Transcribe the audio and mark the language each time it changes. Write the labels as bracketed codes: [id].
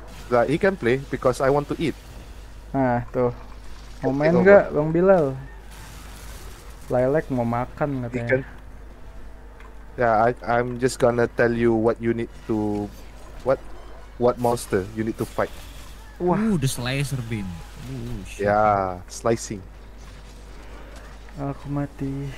[en] Nah, he can play because I want to eat. [id] Nah, tuh. Mau main gak, Bang Bilal? Lilac mau makan katanya. [en] Yeah, I'm just gonna tell you what you need to what monster you need to fight. Wah. Ooh, the slicer beam. Ya, yeah, slicing. [id] Aku mati.